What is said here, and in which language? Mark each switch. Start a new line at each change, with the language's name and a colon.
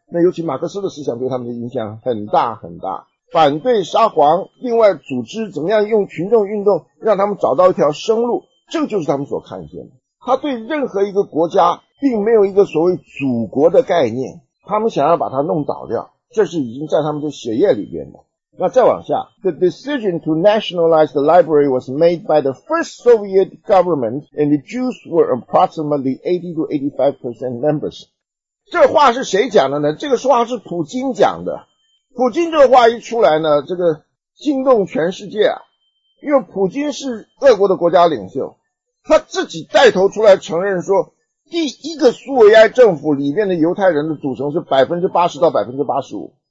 Chinese: 那尤其马克思的思想对他们的影响很大很大，反对沙皇，另外组织怎么样用群众运动让他们找到一条生路，这就是他们所看见的。他对任何一个国家并没有一个所谓祖国的概念，他们想要把它弄倒掉，这是已经在他们的血液里边的。那再往下，
English: The decision to nationalize the library was made by the first Soviet government and the Jews were approximately 80-85% members.
Chinese: 这话是谁讲的呢？这个话是普京讲的。普京这话一出来呢，这个惊动全世界啊，因为普京是俄国的国家领袖，他自己带头出来承认说，第一个苏维埃政府里面的犹太人的组成是 80%-85%。